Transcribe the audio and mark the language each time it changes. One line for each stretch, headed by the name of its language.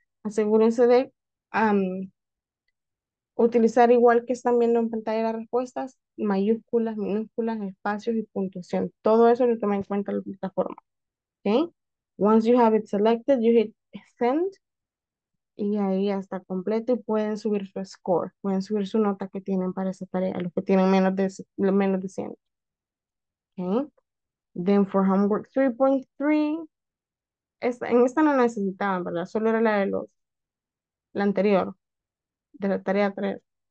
Spanish: Asegúrense de utilizar igual que están viendo en pantalla las respuestas, mayúsculas, minúsculas, espacios y puntuación. Todo eso lo toma en cuenta la plataforma.
English: Okay? Once you have it selected, you hit send.
Spanish: Y ahí ya está completo y pueden subir su score. Pueden subir su nota que tienen para esa tarea, los que tienen menos de 100.
English: Okay? Then for homework 3.3.
Spanish: En esta no necesitaban, ¿verdad? Solo era la anterior, de la tarea 3.